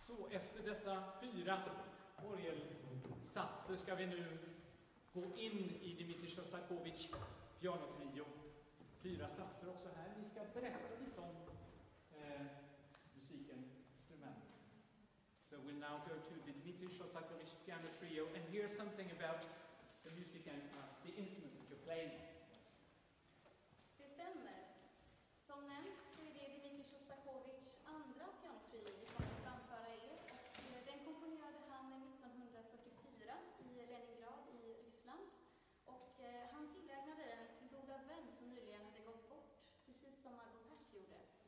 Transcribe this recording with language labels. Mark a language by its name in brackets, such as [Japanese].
[Swedish] efter dessa fyra orgelsatser ska vi nu gå in i Dmitrij Sjostakovitjs pianotrio. Fyra satser också här. Vi ska berätta lite om musiken, instrumenten. [English] So we'll now go to the Dmitrij Sjostakovitj piano trio and hear something about the music and the instrument that you're playing. [Swedish] Det stämmer. Som nämnt så är det Dmitrij Sjostakovitjs andra pianotrio vi kommer framföra er. Den komponerade han 1944 i Leningrad i Ryssland. Och han tillägnade den till sin goda vän som nyligen hade gått bort, precis som Margot Pärs gjorde.